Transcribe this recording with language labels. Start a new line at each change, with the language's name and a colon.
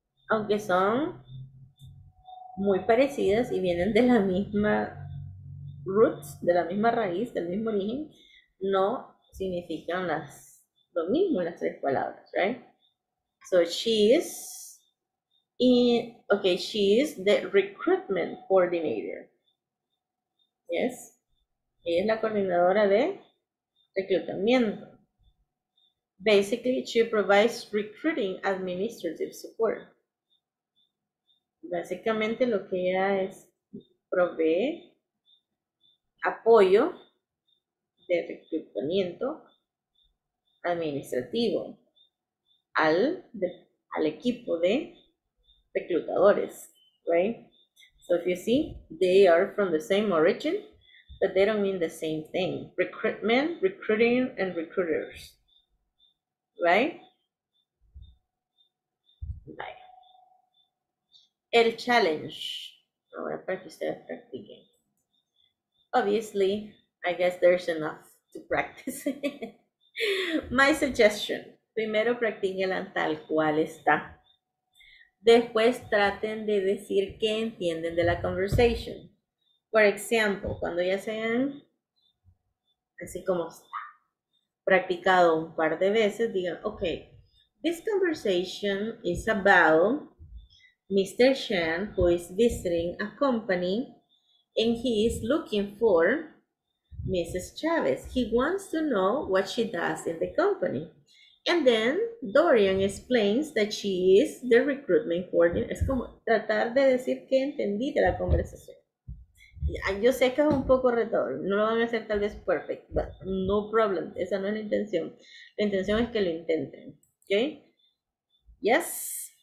Spanish: Aunque son muy parecidas y vienen de la misma roots, de la misma raíz, del mismo origen, no significan las, lo mismo las tres palabras, right?
English: So she is in, okay, she is the recruitment coordinator.
Spanish: Yes. Ella es la coordinadora de reclutamiento.
English: Basically, she provides recruiting administrative support.
Spanish: Básicamente lo que ella es provee apoyo de reclutamiento administrativo al, de, al equipo de reclutadores, right?
English: So if you see, they are from the same origin, but they don't mean the same thing. Recruitment, recruiting, and recruiters, right?
Spanish: Bye. El challenge. Ahora para que ustedes practiquen.
English: Obviously, I guess there's enough to practice. My suggestion.
Spanish: Primero practiquenla tal cual está. Después traten de decir qué entienden de la conversation. Por ejemplo, cuando ya se hayan, así como está, practicado un par de veces, digan,
English: ok, this conversation is about Mr. Chen, who is visiting a company, and he is looking for Mrs. Chavez. He wants to know what she does in the company. And then Dorian explains that she is the recruitment coordinator.
Spanish: Es como tratar de decir qué entendí de la conversación. Yo sé que es un poco retador. No lo van a hacer tal vez perfect,
English: but no problem.
Spanish: Esa no es la intención. La intención es que lo intenten. Okay? Yes?